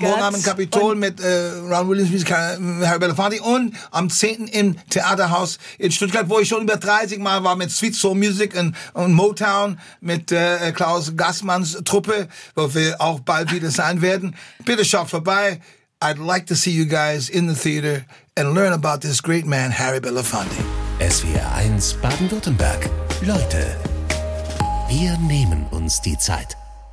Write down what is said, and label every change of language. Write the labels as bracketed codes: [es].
[de] Morgen Abend im Kapitol und mit Ron Williams, Harry Belafonte und am 10. im Theaterhaus in Stuttgart, wo ich schon über 30 Mal war mit Sweet Soul Music und Motown mit Klaus Gassmanns Truppe, wo wir auch bald wieder sein werden. Bitte schaut vorbei. [en] I'd like to see you guys in the theater and learn about this great man, Harry Belafonte. [de] SWR1 Baden-Württemberg. Leute, wir nehmen uns die Zeit.